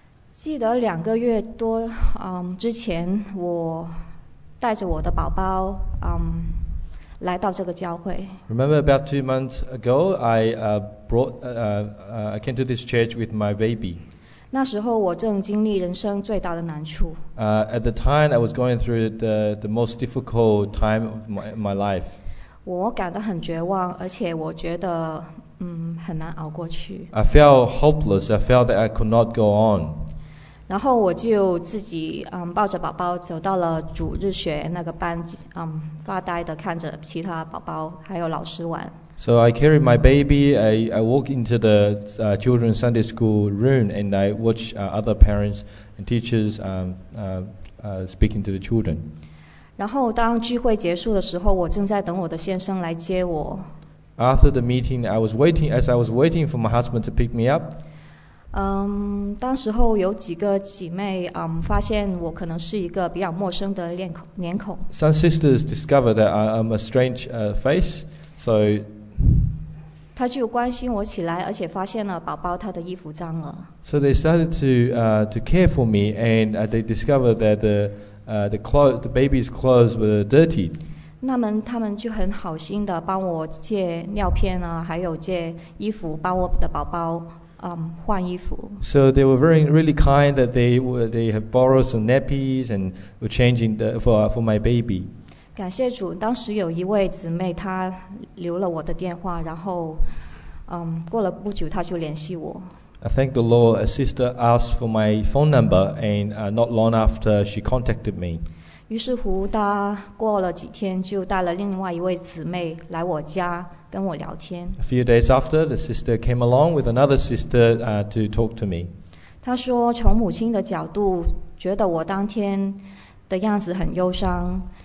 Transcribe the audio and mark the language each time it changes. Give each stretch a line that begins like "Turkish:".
Chinese: 记得两个月多，之前我带着我的宝宝，来到这个教会。
English: Remember about 2 months ago, I brought I came to this church with my baby.
Chinese: 那时候我正经历人生最大的难处。
English: At the time, I was going through the most difficult time of my life.
Chinese: 我感到很绝望，而且我觉得很难熬过去。
English: I felt hopeless. I felt that I could not go on.
Chinese: 然后我就自己抱着宝宝走到了主日学那个班，发呆的看着其他宝宝还有老师玩。
English: So I carried my baby. I walked into the children's Sunday school room and I watched other parents and teachers speaking to the children.
Chinese: 然后当聚会结束的时候，我正在等我的先生来接我。
English: After the meeting, I was waiting. As I was waiting for my husband to pick me up.
Chinese: 当时候有几个姐妹发现我可能是一个比较陌生的脸孔。
English: Some sisters discovered that I'm a strange face, so.
Chinese: 她就关心我起来，而且发现了宝宝他的衣服脏了。
English: So they started to care for me, and they discovered that the baby's clothes were dirty.
Chinese: 那么他们就很好心的帮我借尿片啊，还有借衣服帮我的宝宝。换衣服。
English: So they were very, really kind that they have borrowed some nappies and were changing for my baby.
Chinese: 感谢主，当时有一位姊妹她留了我的电话，然后过了不久她就联系我。
English: I thank the Lord, a sister asked for my phone number and not long after she contacted me.
Chinese: 于是乎她过了几天就带了另外一位姊妹来我家。跟我聊天。
English: A few days after, the sister came along with another sister to talk to me.
Chinese: 她说从母亲的角度觉得我当天的样子很忧伤。